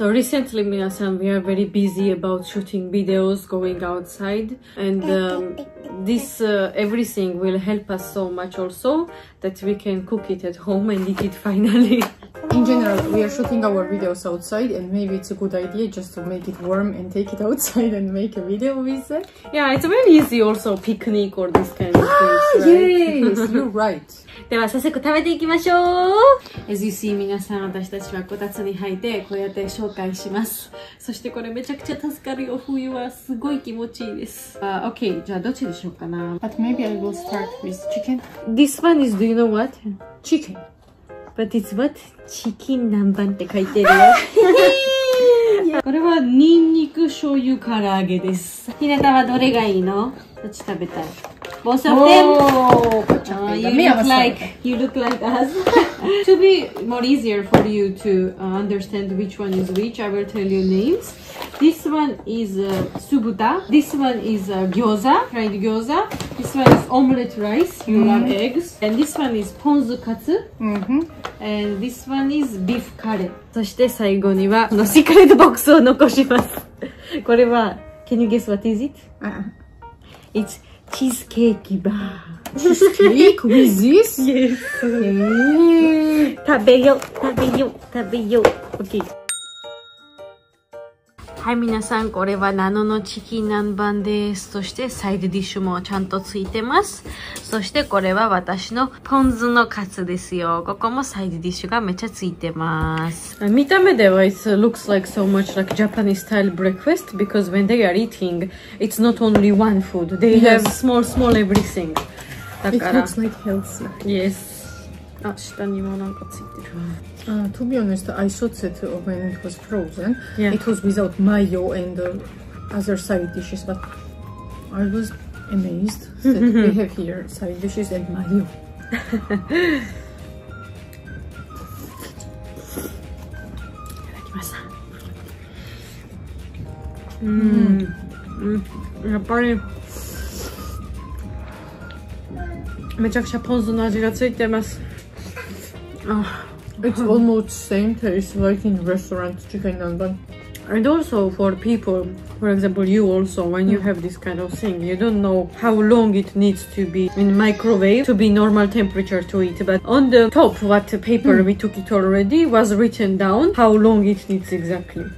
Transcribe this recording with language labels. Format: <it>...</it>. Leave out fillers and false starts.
<en>So recently, Mina-san, we are very busy about shooting videos, going outside, and this everything will help us so much also that we can cook it at home and eat it finally. In general, we are shooting our videos outside and maybe it's a good idea just to make it warm and take it outside and make a video with it. Yeah, it's very easy also picnic or this kind of things, right? Yes, you're right.</en> <ja>では早速食べていきましょう。</ja> <en>As you see,</en> <ja>皆さん、私たちはこたつに入ってこうやって紹介します。そしてこれめちゃくちゃ助かるよ。冬はすごい気持ちいいです。 OK, じゃあどっちでしょうかな。</ja> <en>But maybe I will start with chicken. This one is, do you know what? Chicken. But it's what?</en> <ja>チキン南蛮って書いてるよ。これはニンニク醤油唐揚げです。ひなたはどれがいいの？どっち食べたい？</ja> <en>Both of them? Oh, you look like us. To be more easier for you to understand which one is which, I will tell you names. This one is subuta. This one is gyoza, fried gyoza. This one is omelette rice, you love eggs. And this one is ponzu katsu. And this one is beef curry.</en> <ja>そして最後にはこのシークレットボックスを残します。これは、</ja> <en>can you guess what is it? It's cheesecake bar. Cheesecake with this?</en> <ja>Yes. 食べよ、食べよ、食べよ。OK。はい、皆さん、これはナノのチキン南蛮です。そしてサイドディッシュもちゃんとついてます。そしてこれは私のポン酢のカツですよ。ここもサイドディッシュがめっちゃついてます。見た目では、</ja> <en>it looks like so much like Japanese style breakfast because when they are eating, it's not only one food. They have small, small everything. It looks like healthy. Yes.</en> <ja>あ、下にもなんかついてる。</ja> <en>To be honest, I thought that when it was frozen, it was without mayo and other side dishes, but I was amazed that we have here side dishes and mayo.</en> <ja>やっぱりめちゃくちゃポン酢の味がついてます。</ja> <en>It's almost same taste like in restaurant chicken nanban. And also for people, for example, you also, when you have this kind of thing, you don't know how long it needs to be in microwave to be normal temperature to eat. But on the top, what paper we took it already was written down how long it needs exactly.</en>